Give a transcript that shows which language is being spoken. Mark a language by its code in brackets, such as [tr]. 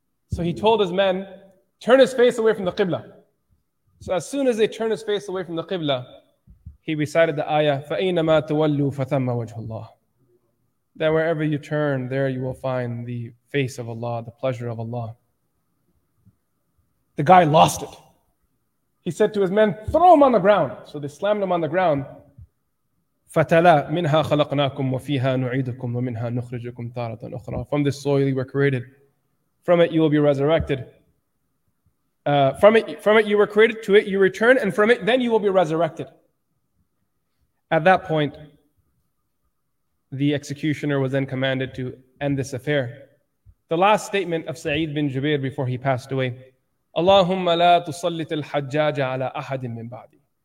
[en] So he told his men, turn his face away from the Qibla. So as soon as they turned his face away from the Qibla, he recited the ayah, [ar] فَأَيْنَمَا تُوَلُّوا فَثَمَّ وَجْهُ اللَّهِ, [en] that wherever you turn, there you will find the face of Allah, the pleasure of Allah. The guy lost it. He said to his men, throw him on the ground. So they slammed him on the ground. [ar] فَتَلَا مِنْهَا خَلَقْنَاكُمْ وَفِيهَا نُعِيدُكُمْ وَمِنْهَا نُخْرِجُكُمْ تَارَةً أُخْرَى, [en] from this soil you were created. From it you will be resurrected. From it you were created, to it you return, and from it then you will be resurrected. At that point, the executioner was then commanded to end this affair. The last statement of Sa'id bin Jubair before he passed away, [ar] Allahumma la tusallit al-hajjaj ala ahadin min ba'di.